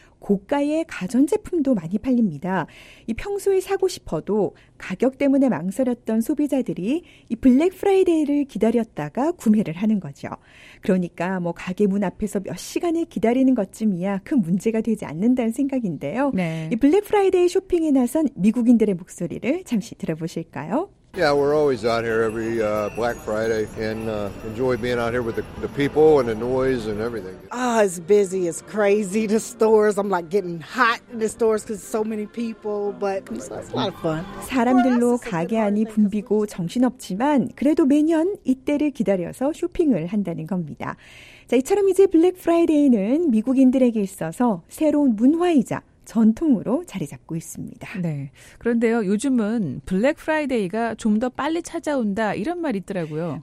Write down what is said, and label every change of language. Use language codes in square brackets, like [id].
[ko] 고가의 가전제품도 많이 팔립니다. 이 평소에 사고 싶어도 가격 때문에 망설였던 소비자들이 이 블랙프라이데이를 기다렸다가 구매를 하는 거죠. 그러니까 뭐 가게 문 앞에서 몇 시간을 기다리는 것쯤이야 큰 문제가 되지 않는다는 생각인데요. 네. 이 블랙프라이데이 쇼핑에 나선 미국인들의 목소리를 잠시 들어보실까요? [en] Yeah, we're always out here every Black Friday and enjoy being out here with the people and the noise and everything. Ah, it's busy. It's crazy. The stores, I'm like getting hot in the stores because so many people, but it's a lot of fun. [ko] 사람들로 가게 안이 붐비고 정신없지만 그래도 매년 이때를 기다려서 쇼핑을 한다는 겁니다. 자, 이처럼 이제 블랙 프라이데이는 미국인들에게 있어서 새로운 문화이자 전통으로 자리 잡고 있습니다. 네. 그런데요, 요즘은 블랙 프라이데이가 좀 더 빨리 찾아온다 이런 말이 있더라고요.